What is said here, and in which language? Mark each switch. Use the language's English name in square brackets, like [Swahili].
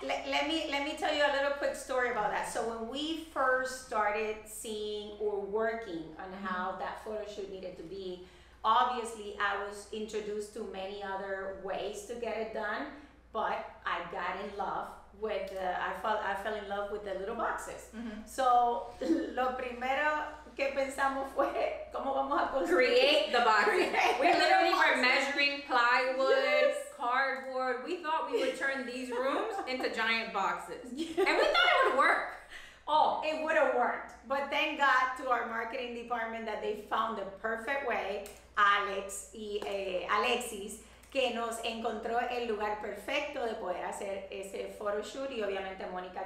[English] Let me tell you a little quick story about that. So when we first started seeing or working on how that photo shoot needed to be, obviously I was introduced to many other ways to get it done, but I got in love. I fell in love with the little boxes. Mm-hmm. [Spanish] So, lo primero que pensamos fue, ¿cómo vamos a construir? [English] Create the boxes. We literally were measuring plywood, cardboard. We thought we would turn these rooms into giant boxes. And we thought it would work. Oh, it would have worked. But thank God to our marketing department that they found the perfect way, Alex y [Spanish] Alexis, que nos encontró el lugar perfecto de poder hacer ese photo shoot, y obviamente Mónica.